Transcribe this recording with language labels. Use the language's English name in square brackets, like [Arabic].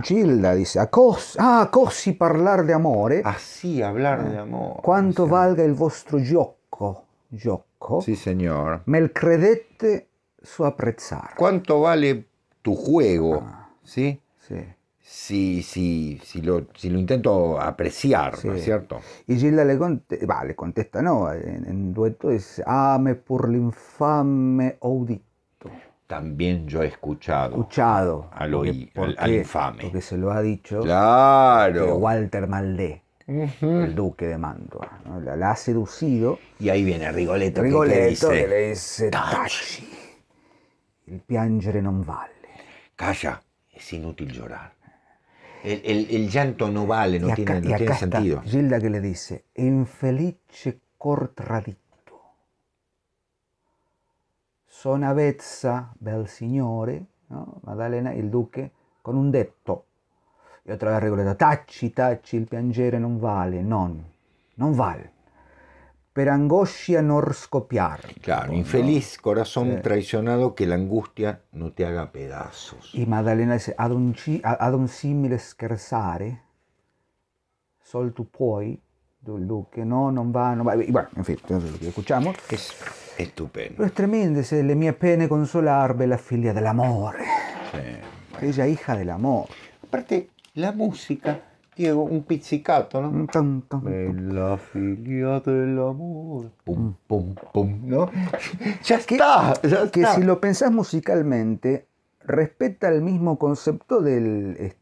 [Italian] Gilda dice: a così parlar d'amore. [Spanish] Así hablar de amor. [Italian] Quanto sì. Valga il vostro gioco. Gioco. Sì, signor. Me lo credete su apprezzare. [Spanish] Quanto vale tu juego? Sì. [Italian] Sì. [Spanish] Si, si, si, lo, si lo intento apreciar, sí. ¿No es cierto? Y Gilda le, le contesta, no, en dueto dice: ame por [Italian] l'infame audito. [Spanish] También yo he escuchado. Escuchado. Al, porque, al infame. Porque se lo ha dicho. Claro. Walter Maldé, uh-huh. El duque de Mantua, ¿no? La ha seducido. Y ahí viene Rigoletto. Rigoletto que le dice: [Italian] tacci. Il piangere non vale. [Spanish] Calla, es inútil llorar. El llanto no vale, no, y acá, tiene, no y acá tiene sentido. Está Gilda que le dice: [Italian] infelice cor tradito. Son avezza, bel signore, [Spanish] ¿no? Maddalena, el duque, [Italian] con un detto. [Spanish] Y otra vez Rigoletto: [Italian] tacci, tacci, il piangere non vale, [Spanish] non, non vale. [Italian] Per angoscia non scoppiar. [Spanish] Claro, ¿no? Infeliz corazón, sí. Traicionado, que la angustia no te haga pedazos. Y Maddalena dice: [Italian] ad un simile scherzare, sol tu puoi, del duque, no, non va, [Spanish] non va. Y bueno, en fin, entonces lo que escuchamos. Es estupendo. Pero es tremendo, dice: [Italian] le mie pene consolar, bella figlia dell'amore. [Spanish] Sí, bueno. Ella, hija del amor. Aparte, la música. Diego, un pizzicato, ¿no? Tum, tum, tum. La filia del amor. Pum, pum, pum, ¿no? ¡Ya está! Que si lo pensás musicalmente, respeta el mismo concepto del...